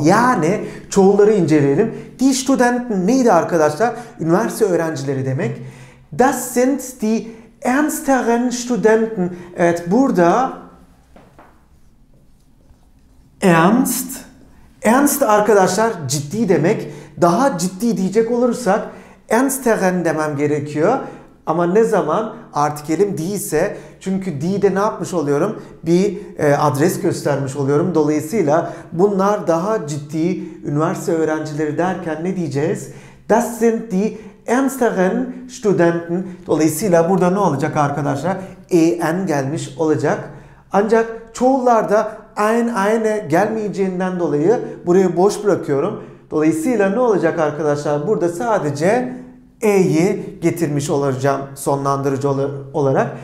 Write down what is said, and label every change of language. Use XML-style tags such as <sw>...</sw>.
<tr>Yani çoğulları inceleyelim.</tr> <de>Die Studenten</de> <tr>neydi arkadaşlar? Üniversite öğrencileri demek.</tr> <de>Das sind die ernsteren Studenten.</de> <tr>Evet, burada ernst. Ernst arkadaşlar ciddi demek. Daha ciddi diyecek olursak ernsteren demem gerekiyor. Ama ne zaman artikelim değilse, çünkü D'de ne yapmış oluyorum? Bir adres göstermiş oluyorum. Dolayısıyla bunlar daha ciddi üniversite öğrencileri derken ne diyeceğiz?</tr> <de>Das sind die ernsteren Studenten.</de> <tr>Dolayısıyla burada ne olacak arkadaşlar? En gelmiş olacak. Ancak çoğullarda eine gelmeyeceğinden dolayı burayı boş bırakıyorum. Dolayısıyla ne olacak arkadaşlar? Burada sadece E'yi getirmiş olacağım sonlandırıcı olarak.</tr>